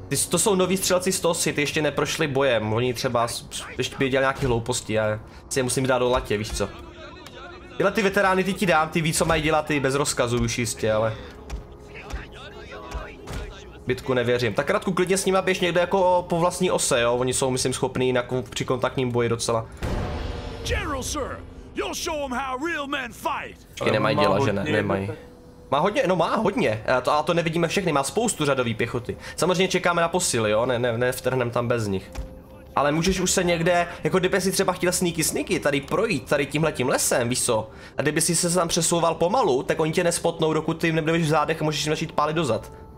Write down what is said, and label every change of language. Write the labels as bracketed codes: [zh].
[cs] To jsou noví střelci z toho City, ještě neprošli bojem, oni třeba ještě by dělali nějaký hlouposti a si je musím dát do latě, víš co. Tyhle ty veterány ty ti dám, ty ví co mají dělat, ty bez rozkazu už jistě, ale... Bitku nevěřím. Tak Radku, klidně s nima běž někde jako po vlastní ose, jo? Oni jsou myslím schopní na při kontaktním boji docela. [en] General, sir, you'll show them how real men fight. [cs] Ty nemají dělat, že ne, nemají. Má hodně, no má hodně, ale to nevidíme všechny, má spoustu řadový pěchoty. Samozřejmě čekáme na posily, jo? Ne, vtrhneme tam bez nich. Ale můžeš už se někde, jako kdyby si třeba chtěl sneaky tady projít, tady tímhletím lesem, víš co? A kdyby si se tam přesouval pomalu, tak oni tě nespotnou, dokud ty jim nebudeš v zádech a můžeš jim začít pálit dozad.